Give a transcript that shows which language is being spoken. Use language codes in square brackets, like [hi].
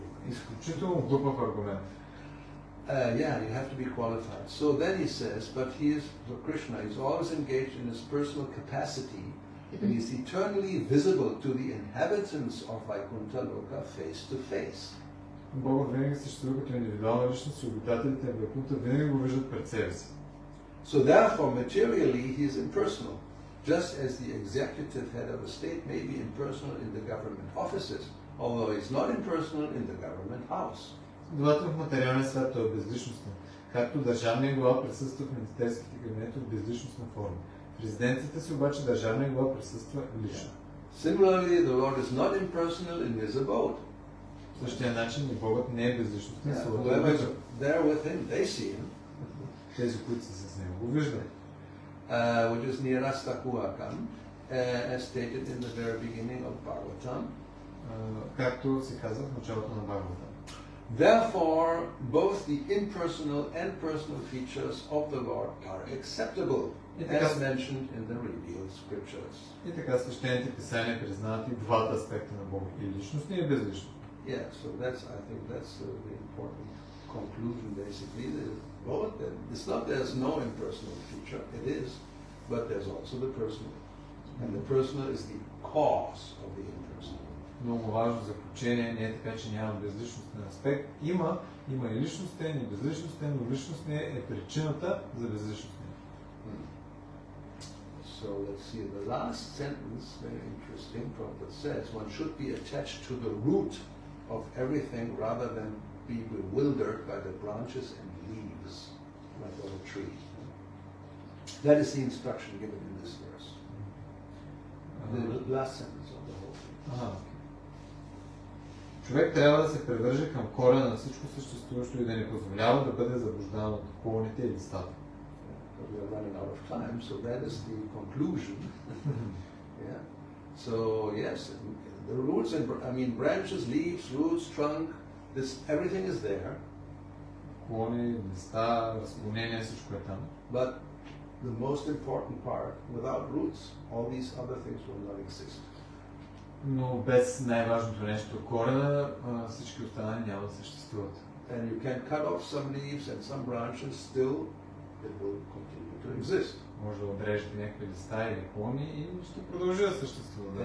[bg] Изключително глупав аргумент. [en] Yeah, you have to be qualified. So then he says, but he is, so Krishna is always engaged in his personal capacity and he is eternally visible to the inhabitants of Vaikuntha Loka face to face. [bg] Бог винаги съществува като индивидуална личност и обитателите на Вайкунта винаги го виждат пред себе си. [en] So therefore, materially, he is impersonal. Just as the executive head of a state may be impersonal in the government offices, although he's not impersonal in the government house. [bg] Следователно в материалния свят той е безличностен. Както държавният глава присъства в министерските кабинети в безличностна форма. В резиденцията си обаче държавният глава присъства лично. [en] Similarly, the Lord is not impersonal in his abode. [bg] В същия начин и Богът не е безличностен. [en] Yeah, whoever's there with him, they see him. [bg] Тези, които са с него, го виждат. [en] Which is Nirasta Kuakam, as stated in the very beginning of Bhagavatam. [bg] Както се казва в началото на Бхагавата. [en] Therefore, both the impersonal and personal features of the Lord are acceptable, as mentioned in the revealed scriptures. [bg] И така свещените писания признават и двата аспекта на Бога, и личностни и безлични. [en] Yeah, so that's, I think that's the important conclusion, basically. It's not there's no impersonal feature, it is, but there's also the personal. And the personal is the cause of the impersonal. [bg] Много важно заключение, не е така, че няма безличностен аспект. Има, има и личностен, и безличностен, но личностен е причината за безличностен. [en] So let's see, the last sentence, very interesting, Prabhupada says, one should be attached to the root of everything rather than be bewildered by the branches and leaves, like on a tree. That is the instruction given in this verse. The last sentence of the whole thing. [bg] Човек трябва да се привържа към корена на всичко съществуващо и да не позволява да бъде заблуждан от околните и листата. [en] We are running out of time, so that is the conclusion. Yeah. So, yes, the roots and branches, leaves, roots, trunk, this everything is there. [bg] Корени, листа, разклонения, всичко е там. [en] But the most important part, without roots, all these other things will not exist. [bg] Но без най-важното нещо корена, всички останали няма да съществуват. [en] And you can cut off some leaves and some branches, still it will continue to exist. [bg] Може да отрежете някакви листа или клони и ще продължи да съществува.